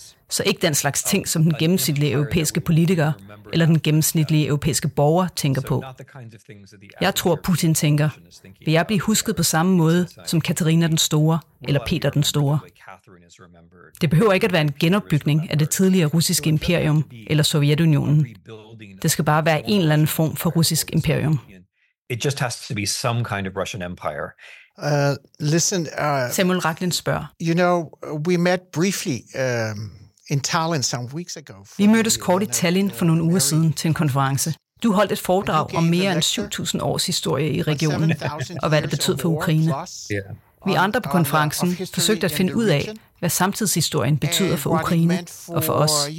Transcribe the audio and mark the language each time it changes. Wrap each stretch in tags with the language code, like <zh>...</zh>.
<da>Så ikke den slags ting, som den gennemsnitlige europæiske politiker eller den gennemsnitlige europæiske borger tænker på. Jeg tror, Putin tænker, vil jeg blive husket på samme måde som Katarina den Store eller Peter den Store? Det behøver ikke at være en genopbygning af det tidligere russiske imperium eller Sovjetunionen. Det skal bare være en eller anden form for russisk imperium.</da> <en>It just has to be some kind of Russian empire. Listen,</en> <da>Samuel Raklin spørger.</da> <en>You know, we met briefly in Tallinn some weeks ago.</en> <da>Vi mødtes kort i Tallinn for nogle uger siden til en konference. Du holdt et foredrag om mere end 7.000 års historie i regionen og hvad det betød for Ukraine. Vi andre på konferencen forsøgte at finde ud af, hvad samtidshistorien betyder for Ukraine og for os.</da>